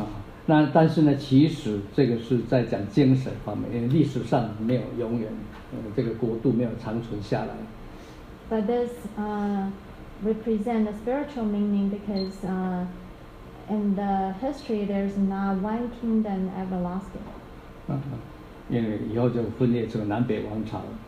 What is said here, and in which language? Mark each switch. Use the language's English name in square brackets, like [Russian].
[Chinese] 啊，那但是呢，其实这个是在讲精神方面，因为历史上没有永远，这个国度没有长存下来。 [English] But this represent a spiritual meaning because in the history there's not one kingdom everlasting. [Chinese] 因为以后就分裂成南北王朝。